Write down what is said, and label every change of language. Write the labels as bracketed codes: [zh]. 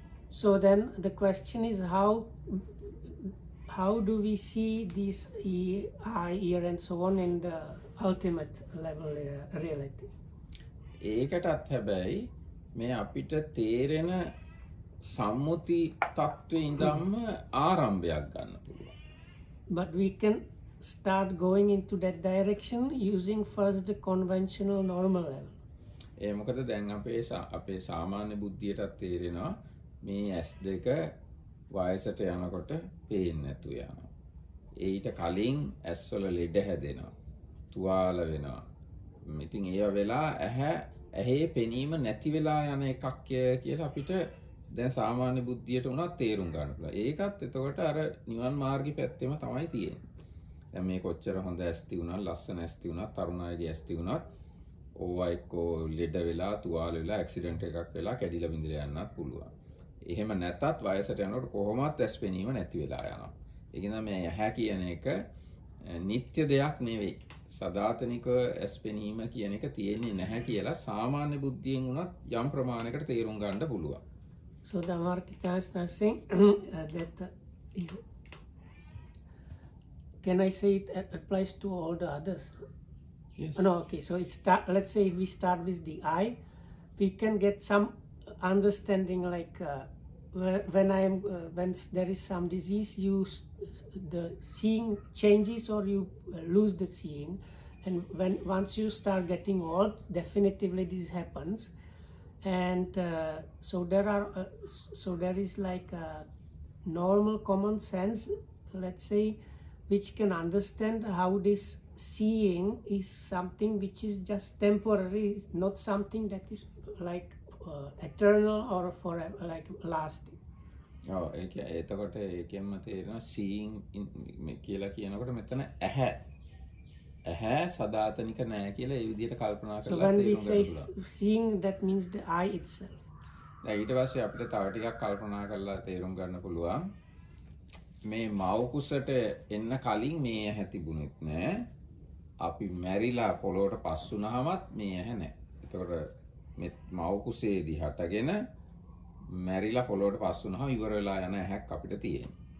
[en] So then the question is how do we see this eye, ear and so on in the ultimate level reality? [si] ඒකටත් හැබැයි මේ අපිට තේරෙන සම්මුති තත්ත්වයේ ඉඳන්ම ආරම්භයක් ගන්න පුළුවන්. [en] But we can start going into that direction using first the conventional normal level. [si] ඒ මොකද දැන් අපේ සාමාන්‍ය බුද්ධියටත් තේරෙනවා මේ ඇස් දෙක වයසට යනකොට පේන්නේ නැතු යනවා. ඊට කලින් ඇස්වල ලෙඩ හැදෙනවා. තුවාල වෙනවා. ඉතින් ඒව වෙලා ඇහැ ඇහි පෙනීම නැති වෙලා යන එකක්ය කියලා අපිට දැන් සාමාන්‍ය බුද්ධියට උනත් තේරුම් ගන්න පුළුවන්. ඒකත් එතකොට අර නිවන් මාර්ගි පැත්තෙම තමයි තියෙන්නේ. දැන් මේ කොච්චර හොඳ ඇස්ති උනත්, ලස්සන ඇස්ති උනත්, තරුණයගේ ඇස්ති උනත් ඕවා එක්ක ලෙඩ වෙලා, තුවාල වෙලා, ඇක්සිඩන්ට් එකක් වෙලා කැඩිලා බිඳිලා යන්නත් පුළුවන්. එහෙම නැත්තත් වයසට යනකොට කොහොමවත් ඇස් පෙනීම නැති වෙලා යනවා. ඒක නිසා මේ ඇහැ කියන එක නিত্য දෙයක් නෙවෙයි. සදාතනික ඇස් පෙනීම කියන එක තියෙන්නේ නැහැ කියලා සාමාන්‍ය බුද්ධියෙන් උනත් යම් ප්‍රමාණයකට තේරුම් ගන්න පුළුවන්. [en] So the Marketized are saying that can I say it applies to all the others? Yes. No, okay. So it start, let's say we start with the eye, we can get some understanding like when there is some disease, you the seeing changes or you lose the seeing, and when once you start getting old, definitively this happens. And so there is normal common sense, let's say, which can understand how this seeing is something which is just temporary, not something that is like eternal or forever, like lasting. Oh, okay. [si] එතකොට ඒකෙන් මට තේරෙනවා seeing කියලා කියනකොට මෙතන ඇහැ. ඇහැ සදාතනික නැහැ කියලා ඒ විදිහට කල්පනා කරලා තියෙනවා. [en] So when we say seeing, that means the eye itself. [si] දැන් ඊට පස්සේ අපිට තව ටිකක් කල්පනා කරලා තේරුම් ගන්න පුළුවන්. මේ මව කුසට එන්න කලින් මේ ඇහැ තිබුණෙත් නැහැ. අපි මැරිලා පොළොවට පස් වුණාමත් මේ ඇහැ නැහැ. එතකොට මේ මව කුසේදී හටගෙන මැරිලා පොළොවට පස් වුණාම ඉවර වෙලා යන ඇහැක් අපිට තියෙනවා.